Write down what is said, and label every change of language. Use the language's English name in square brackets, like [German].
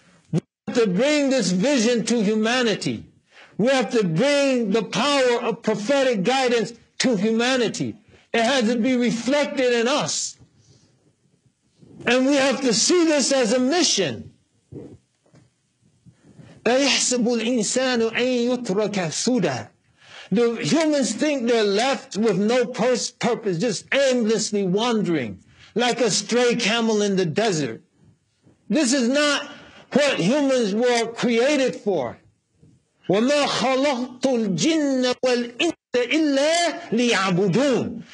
[English] We have to bring this vision to humanity. We have to bring the power of prophetic guidance to humanity. It has to be reflected in us. And we have to see this as a mission. [Arabic] أَيَحْسَبُ الْإِنسَانُ أَن يُتْرَكَ سُدًى. [English] Do humans think they're left with no purpose, just aimlessly wandering like a stray camel in the desert? This is not what humans were created for. [Arabic] وَمَا خَلَقْتُ الْجِنَّ وَالْإِنْسَ إِلَّا لِيَعْبُدُونَ.